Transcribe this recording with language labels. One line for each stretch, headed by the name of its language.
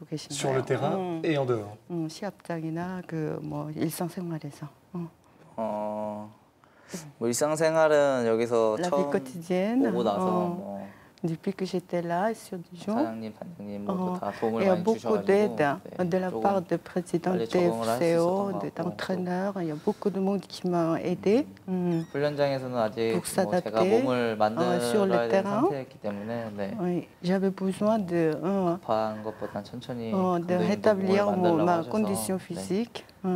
French: Sur le terrain et en dehors.
Korean: 뭐 일상생활은 여기서 처음 quotidienne. 오고 나서
French: depuis que j'étais là sur Dijon,
Korean: 사장님, 반장님 모두 다 도움을 많이 주셔가지고
French: de la part de président DFCO, d'entraîneur, il y a beaucoup de monde qui m'a aidé.
Korean: 훈련장에서는 아직 제가 몸을 만들어야 될 상태였기 때문에
French: j'avais besoin de
Korean: 급한 것보단 천천히
French: de rétablir ma condition physique.